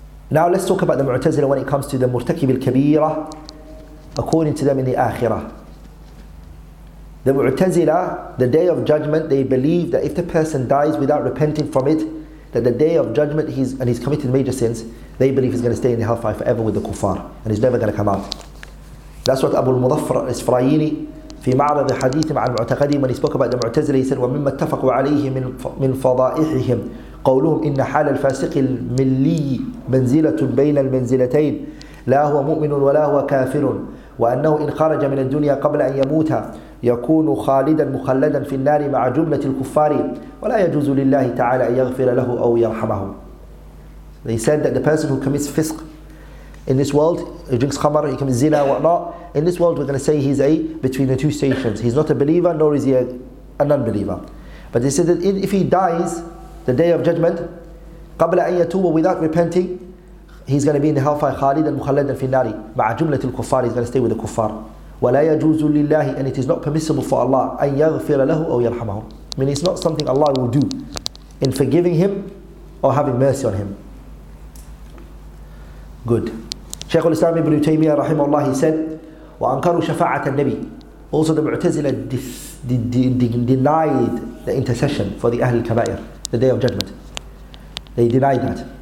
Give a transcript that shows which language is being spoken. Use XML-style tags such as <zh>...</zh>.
<en>Now let's talk about the Mu'tazila when it comes to the Murtakib al-Kabira according to them in the Akhirah. The Mu'tazila, the Day of Judgment, they believe that if the person dies without repenting from it, that the Day of Judgment he's committed major sins, they believe he's going to stay in the hellfire forever with the kuffar and he's never going to come out. That's what Abu al-Mudhaffar al-Isfrayini</en> <ar>في معرض حديث مع المعتقدين</ar> <en>when he spoke about the Mu'tazila, he said</en> <ar>وَمِمَّا اتَّفَقُوا عَلَيْهِ مِنْ فَضَائِحِهِمْ قولهم إن حال الفاسق الملي منزلة بين المنزلتين لا هو مؤمن ولا هو كافر وأنه إن خرج من الدنيا قبل أن يموت يكون خالدا مخلدا في النار مع جملة الكفار ولا يجوز لله تعالى أن يغفر له أو يرحمه.</ar> <en>They said that the person who commits fisq in this world, he drinks khamar, he commits zina, whatnot, in this world we're going to say he's a between the two stations. He's not a believer nor is he a non-believer. But they said that if he dies the Day of Judgment,</en> <ar>قبل أن يتوب,</ar> <en>without repenting, he's going to be in the hellfire,</en> <ar>خالدا مخلدا في النار, مع جملة الكفار,</ar> <en>he's going to stay with the kuffar.</en> <ar>ولا يجوز لله,</ar> <en>and it is not permissible for Allah,</en> <ar>أن يغفر له أو يرحمه.</ar> <en>I mean, it's not something Allah will do in forgiving him or having mercy on him. Good. Shaykh al-Islam ibn Taymiyyah رحمه الله, he said,</en> <ar>وأنكروا شفاعة النبي.</ar> <en>Also the Mu'tazila denied the intercession for the Ahl al-Kabair. The Day of Judgment. They deny that.</en>